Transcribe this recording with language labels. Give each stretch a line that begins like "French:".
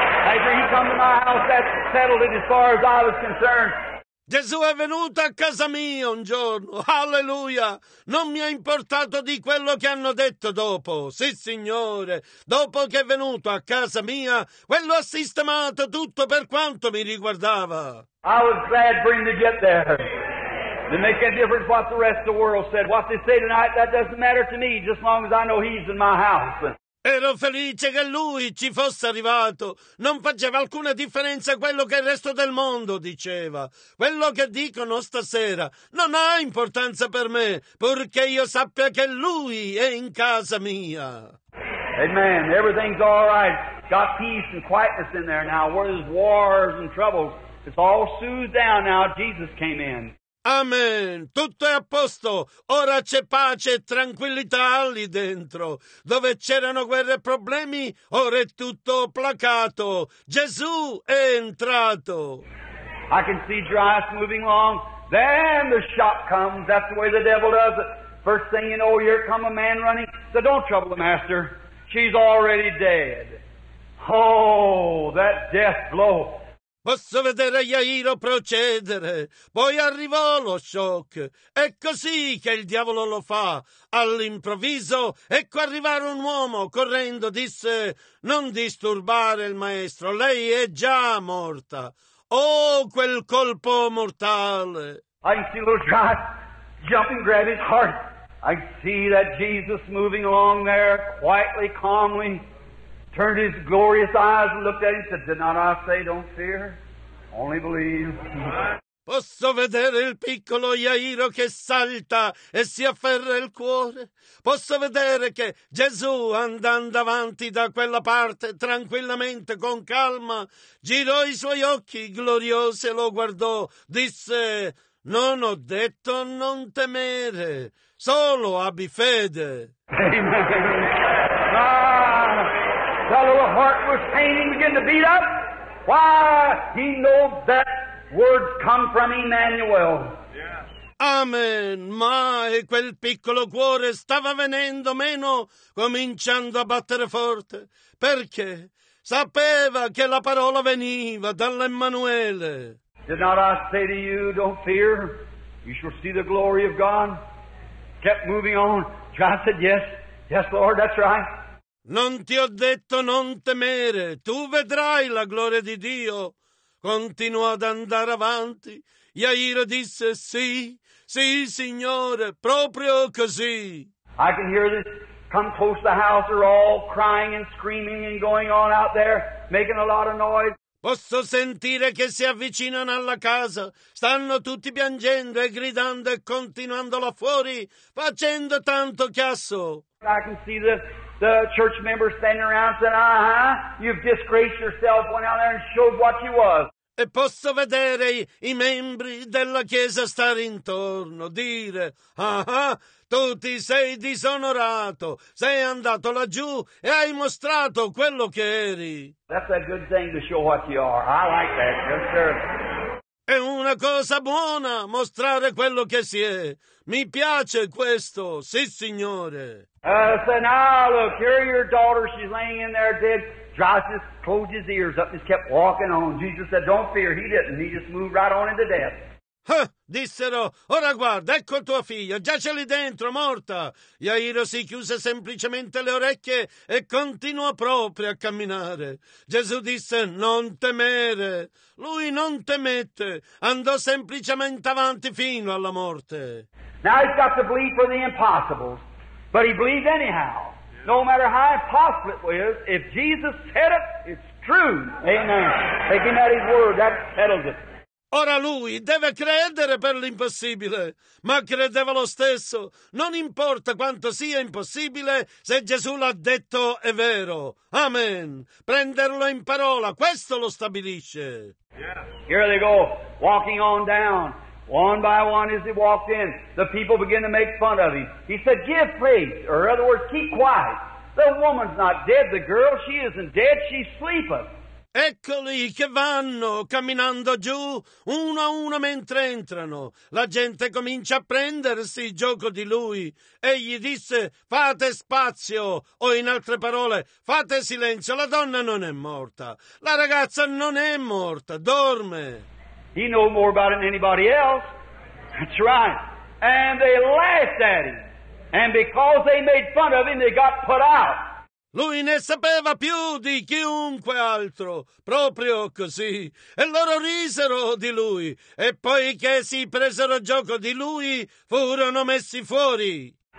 English: I said, you come to my house, that's settled it as far as I was concerned.
Italian: Gesù è venuto a casa mia un giorno, alleluia, non mi è importato di quello che hanno detto dopo, sì signore, dopo che è venuto a casa mia, quello ha sistemato tutto per quanto mi riguardava.
English: I was glad for him to get there. To make a difference what the rest of the world said, what they say tonight, that doesn't matter to me, just long as I know he's in my house.
Italian: Ero felice che lui ci fosse arrivato. Non faceva alcuna differenza quello che il resto del mondo diceva. Quello che dicono stasera non ha importanza per me, purché io sappia che lui è in casa mia.
English: Amen. Everything's all right. Got peace and quietness in there now. Where there's wars and troubles, it's all soothed down now. Jesus came in.
Italian: Amen. Tutto è a posto. Ora c'è pace e tranquillità lì dentro. Dove c'erano guerre e problemi, ora è tutto placato. Gesù è entrato.
English: I can see Jairus moving along. Then the shock comes. That's the way the devil does it. First thing you know, here come a man running. So don't trouble the master. She's already dead. Oh, that death blow.
Italian: Posso vedere Jairo procedere. Poi arrivò lo shock. È così che il diavolo lo fa. All'improvviso, ecco arrivare un uomo. Correndo disse, non disturbare il maestro, lei è già morta. Oh, quel colpo mortale.
English: I can see little Jairus jump and grab his heart. I can see that Jesus moving along there, quietly, calmly. Turned his glorious eyes and looked at him and said, did not I say, don't fear, only believe.
Italian: Posso vedere il piccolo Jairo che salta e si afferra il cuore. Posso vedere che Gesù, andando avanti da quella parte, tranquillamente, con calma, girò i suoi occhi gloriosi e lo guardò. Disse, non ho detto non temere, solo abbi fede.
English: Amen. Ah! That little heart was painting, begin to beat up. Why? He knows that words come from Emmanuel. Yeah. Amen.
Italian: Ma e quel piccolo cuore stava venendo meno, cominciando a battere forte. Perché? Sapeva che la parola veniva dall'Emmanuele.
English: Did not I say to you, don't fear, you shall see the glory of God? Kept moving on. John said, yes, yes, Lord, that's right.
Italian: Non ti ho detto non temere, tu vedrai la gloria di Dio. Continuò ad andare avanti. Jairo disse, sì, sì, Signore, proprio così.
English: I can hear this come close to the house, they're all crying and screaming and going on out there, making a lot of noise.
Italian: Posso sentire che si avvicinano alla casa, stanno tutti piangendo e gridando e continuando là fuori, facendo tanto chiasso.
English: I can see the church member standing around said, you've disgraced yourself, went out there and showed what you was.
Italian: E posso vedere i membri della chiesa stare intorno, dire, tu ti sei disonorato, sei andato laggiù e hai mostrato quello che eri.
English: That's a good thing to show what you are. I like that, yes, sir.
Italian: È una cosa buona mostrare quello che si è. Mi piace questo, sì, signore.
English: So now look, here your daughter, she's laying in there dead. Jairus closed his ears up and just kept walking on. Jesus said, don't fear. He didn't. He just moved right on into death.
Italian: Dissero, ora guarda, ecco tua figlia, giace lì dentro, morta. Jairo si chiuse semplicemente le orecchie e continuò proprio a camminare. Gesù disse, non temere. Lui non temette, andò semplicemente avanti fino alla morte.
English: Now he's got to believe for the impossible, but he believed anyhow. No matter how impossible it was, if Jesus said it, it's true. Amen. Taking that his word, that settles it.
Italian: Ora lui deve credere per l'impossibile, ma credeva lo stesso. Non importa quanto sia impossibile, se Gesù l'ha detto è vero. Amen. Prenderlo in parola, questo lo stabilisce.
English: Yeah. Here they go, walking on down. One by one, as he walked in, the people began to make fun of him. He said, give praise, or in other words, keep quiet. The woman's not dead, the girl, she isn't dead, she's sleeping.
Italian: Eccoli che vanno camminando giù, uno a uno mentre entrano. La gente comincia a prendersi il gioco di lui. Egli disse, fate spazio, o in altre parole, fate silenzio, la donna non è morta. La ragazza non è morta, dorme.
English: He knows more about it than anybody else. That's right. And they laughed at him. And because they made fun of him, they got put out.
Italian: Lui ne sapeva più di chiunque altro, proprio così. E loro risero di lui. E poiché si presero gioco di lui, furono messi fuori.